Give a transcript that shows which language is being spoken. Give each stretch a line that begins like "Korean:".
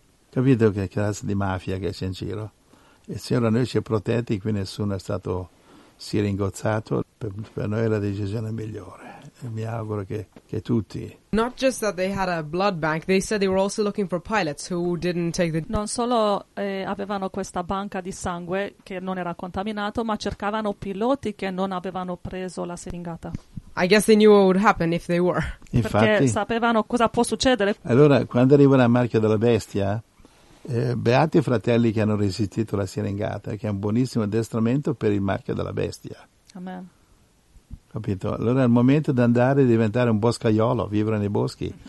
Italian: Capito che classe di mafia che c'è in giro? Il Signore a noi ci è protetti, qui nessuno è stato siringozzato. Per noi la decisione è migliore. E mi auguro che tutti.
English: Not just that they had a blood bank, they said they were also looking for pilots who didn't take the...
Italian: Non solo avevano questa banca di sangue che non era contaminato, ma cercavano piloti che non avevano preso la siringata.
English: I guess they knew what would happen if they were.
Italian: Infatti, perché sapevano cosa può succedere. Allora, quando arriva la marchia della bestia, beati i fratelli che hanno resistito la siringata, che è un buonissimo addestramento per il marchio della bestia. Amen. Capito? Allora è il momento di andare e diventare un boscaiolo, vivere nei boschi.